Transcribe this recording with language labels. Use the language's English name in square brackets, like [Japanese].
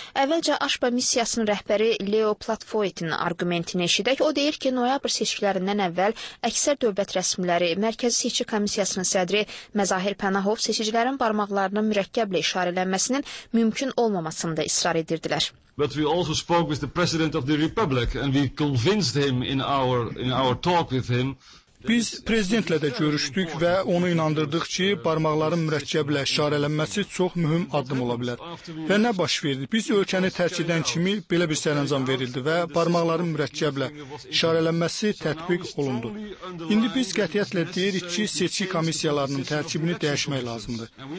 [Azerbaijani] Əvvəlcə AŞPA missiyasının rəhbəri Leo Platvoetin argumentini eşidək, o deyir ki, noyabr seçkilərindən əvvəl əksər dövlət rəsmiləri, Mərkəzi Seçki Komissiyasının sədri Məzahir Pənah Hov seçicilərin barmaqlarının mürəkkəblə işarələnməsinin mümkün olmamasını da israr edirdilər. [English] But we also spoke with the President of the Republic and we convinced him in our talk with him. [Azerbaijani] Biz prezidentlə də görüşdük və onu inandırdıq ki, barmaqların mürəkkəblə işarələnməsi çox mühüm addım ola bilər. Və nə baş verdi? Biz ölkəni tərk edən kimi belə bir sərəncam verildi və barmaqların mürəkkəblə işarələnməsi tətbiq olundu. İndi biz qətiyyətlə deyirik ki, seçki komissiyalarının tərkibini dəyişmək lazımdır.